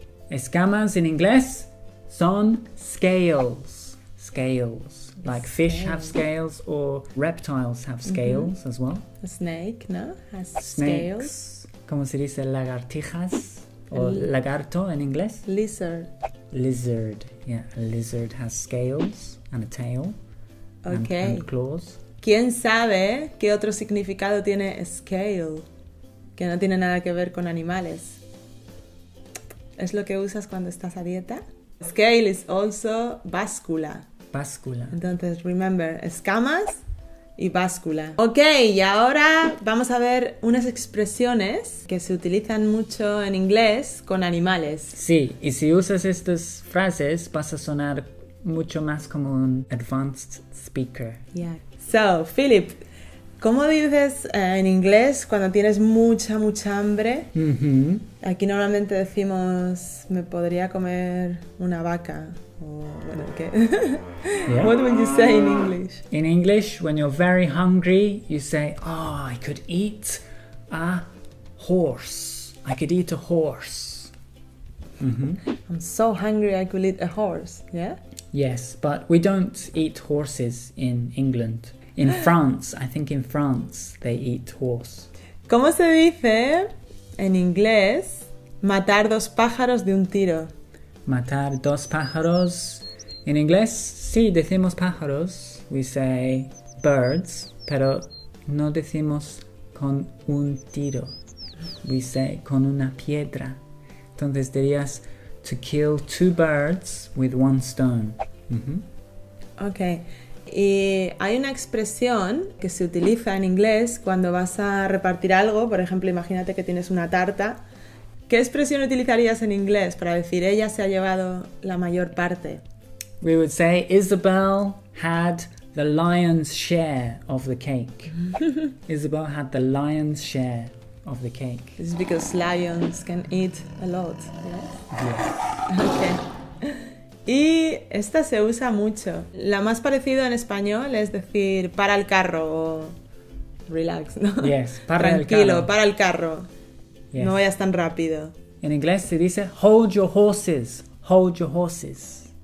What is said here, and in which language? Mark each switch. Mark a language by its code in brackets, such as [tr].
[en] Escamas in English son scales. Scales. Like fish have scales or reptiles have scales, mm-hmm. as well. A snake, ¿no? Has snakes. Scales. [es] ¿Cómo se dice lagartijas? O lagarto en inglés. [en] Lizard. Lizard. Yeah, a lizard has scales and a tail. Okay. And claws. [es] ¿Quién sabe qué otro significado tiene scale? Que no tiene nada que ver con animales. Es lo que usas cuando estás a dieta. [en] Scale is also báscula. [es] Báscula. Entonces, remember, escamas y báscula. Ok, y ahora vamos a ver unas expresiones que se utilizan mucho en inglés con animales. Sí, y si usas estas frases vas a sonar mucho más como un [en] advanced speaker. Yeah. [es] So, Philip, ¿cómo dices en inglés cuando tienes mucha, mucha hambre? Mm-hmm. Aquí normalmente decimos, me podría comer una vaca. [en] Yeah. What would you say in English? In English, when you're very hungry, you say, oh, I could eat a horse. I could eat a horse. Mm-hmm. I'm so hungry I could eat a horse, yeah? Yes, but we don't eat horses in England. In France, I think in France, they eat horse. [es] ¿Cómo se dice en inglés matar dos pájaros de un tiro? Matar dos pájaros. En inglés, sí, decimos pájaros. [en] We say birds, [es] pero no decimos con un tiro. [en] We say [es] con una piedra. Entonces dirías [en] to kill two birds with one stone. Mm-hmm. Okay. [es] Y hay una expresión que se utiliza en inglés cuando vas a repartir algo. Por ejemplo, imagínate que tienes una tarta. ¿Qué expresión utilizarías en inglés para decir ella se ha llevado la mayor parte? [en] We would say Isabel had the lion's share of the cake. Isabel had the lion's share of the cake. It's because lions can eat a lot, yes? Yes. [es] Okay. Y esta se usa mucho. La más parecida en español es decir para el carro o relax, ¿no? Yes, para tranquilo, el carro. Tranquilo, para el carro. Yes. No vayas tan rápido. En inglés se dice [en] hold your horses, hold your horses.